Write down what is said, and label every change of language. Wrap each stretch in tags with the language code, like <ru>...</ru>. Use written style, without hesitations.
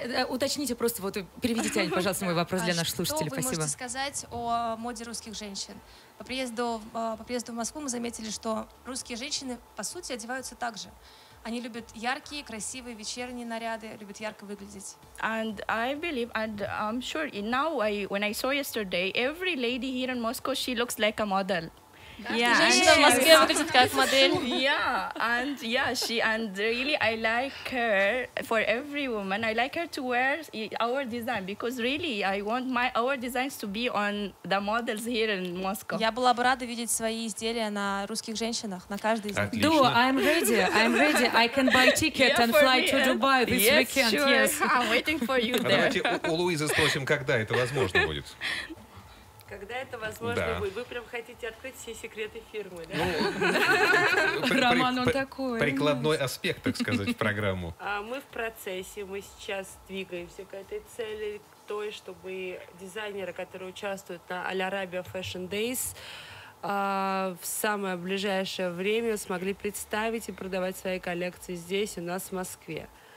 <ru>Уточните просто, вот переведите, Аня, пожалуйста, мой вопрос для наших слушателей. Что спасибо. Вы можете сказать о моде русских женщин? По приезду в Москву мы заметили, что русские женщины, по сути, одеваются так же. Они любят яркие, красивые вечерние наряды, любят ярко выглядеть.</ru> <en>And I believe, and I'm sure, now when I saw yesterday, every lady here in Moscow, she looks like a model. Yeah, and really, I like her for every woman. I like her to wear our design, because really, I want our designs to be on the models here in Moscow.</en> <ru>Я была бы рада видеть свои изделия на русских женщинах, на каждой из них. Отлично.</ru> <en>I'm ready. I can buy ticket and fly to Dubai this weekend. Sure. Yes, I'm waiting for you there.</en> <ru>Давайте у Луизы спросим, когда это возможно будет. Когда это возможно да. будет? Вы прям хотите открыть все секреты фирмы, да? Роман, он такой. Прикладной аспект, так сказать, в программу. Мы в процессе, мы сейчас двигаемся к этой цели, к той, чтобы дизайнеры, которые участвуют на Al Arabia Fashion Days, в самое ближайшее время смогли представить и продавать свои коллекции здесь, у нас в Москве.</ru>